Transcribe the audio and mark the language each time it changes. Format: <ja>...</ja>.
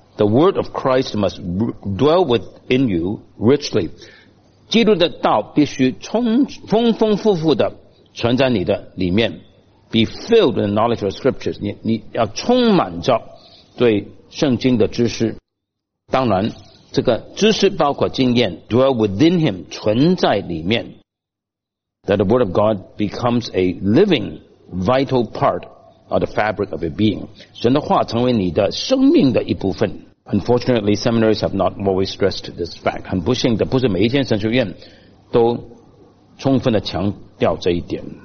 <en>The word of Christ must dwell within you richly，</en> <zh>基督的道必须丰丰富富的存在你的里面。</zh> <en>Be filled with the knowledge of scriptures.</en> <zh>你要充满着对圣经的知识。当然，这个知识包括经验。</zh> <en>Dwell within him,</en> <zh>存在里面。</zh> <en>That the word of God becomes a living, vital part of the fabric of your being.</en> <zh>神的话成为你的生命的一部分。</zh> <en>Unfortunately, seminaries have not always stressed this fact.</en> <zh>很不幸的，不是每一间神学院都充分的强调这一点。</zh>